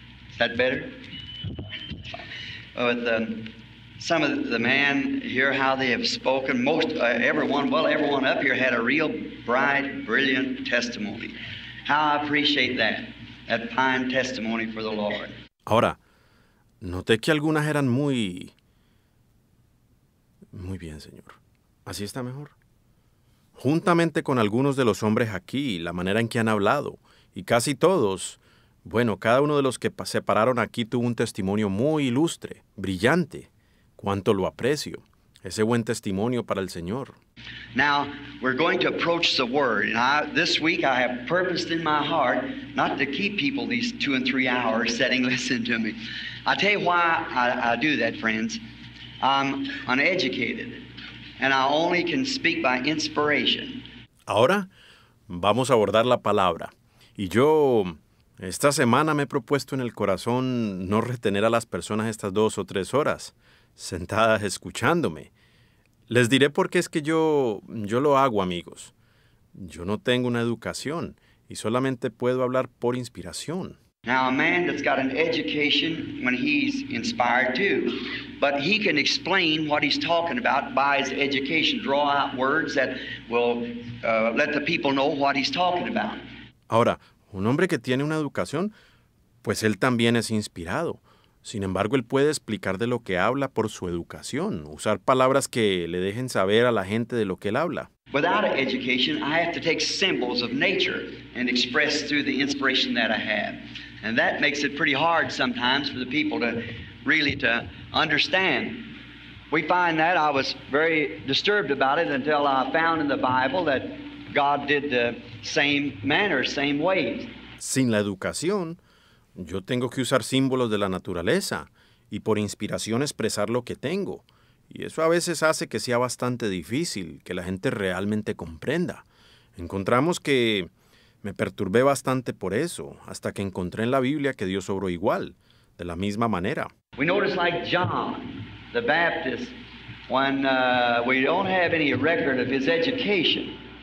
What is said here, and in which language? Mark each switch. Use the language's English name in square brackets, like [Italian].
[English] Is that better? Well, with some of the men hear how they have spoken. Everyone up here had a real bright, brilliant testimony. How I appreciate that fine testimony for the Lord. [Spanish] Ahora, noté que algunas eran muy... Muy bien, señor. ¿Así está mejor? Juntamente con algunos de los hombres aquí, la manera en que han hablado, y casi todos, bueno, cada uno de los que se pararon aquí tuvo un testimonio muy ilustre, brillante. Cuánto lo aprecio, ese buen testimonio para el Señor. [English] Now, we're going to approach the Word. This week I have purposed in my heart not to keep people these 2 and 3 hours sitting listening to me. I tell you why I do that, friends. I'm uneducated. And I only can speak by inspiration. [Spanish] Ahora, vamos a abordar la palabra. Y yo, esta semana me he propuesto en el corazón no retener a las personas estas 2 o 3 horas, sentadas escuchándome. Les diré por qué es que yo lo hago, amigos. Yo no tengo una educación y solamente puedo hablar por inspiración. [English] Now, a man that's got an education when he's inspired too, but he can explain what he's talking about by his education, draw out words that will let the people know what he's talking about. [Spanish] Ahora, un hombre que tiene una educación, pues él también es inspirado. Sin embargo, él puede explicar de lo que habla por su educación, usar palabras que le dejen saber a la gente de lo que él habla. [English] Without an education, I have to take symbols of nature and express through the inspiration that I have. And that makes it pretty hard sometimes for the people to really to understand. We find that I was very disturbed about it until I found in the Bible that God did the same manner, same ways. [Spanish] Sin la educación, yo tengo que usar símbolos de la naturaleza y por inspiración expresar lo que tengo. Y eso a veces hace que sea bastante difícil que la gente realmente comprenda. Encontramos que me perturbé bastante por eso, hasta que encontré en la Biblia que Dios obró igual, de la misma manera. [English] We notice like John, the Baptist, when we don't have any record of his education.